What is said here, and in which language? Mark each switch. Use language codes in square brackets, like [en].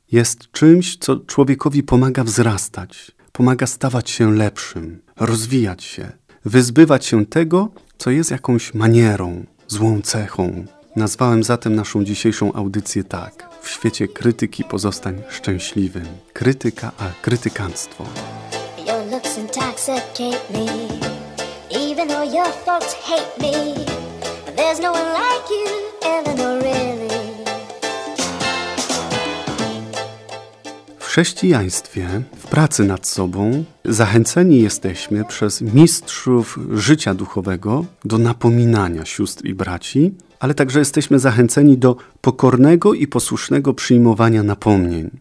[pl] Jest czymś, co człowiekowi pomaga wzrastać, pomaga stawać się lepszym, rozwijać się, wyzbywać się tego, co jest jakąś manierą, złą cechą. Nazwałem zatem naszą dzisiejszą audycję tak. W świecie krytyki pozostań szczęśliwym. Krytyka, a krytykanstwo. [en] Your looks intoxicate me. Even though your folks hate me, there's no one like you, Eleanor Rimmey. [pl] W chrześcijaństwie, w pracy nad sobą, zachęceni jesteśmy przez mistrzów życia duchowego do napominania sióstr i braci, ale także jesteśmy zachęceni do pokornego i posłusznego przyjmowania napomnień.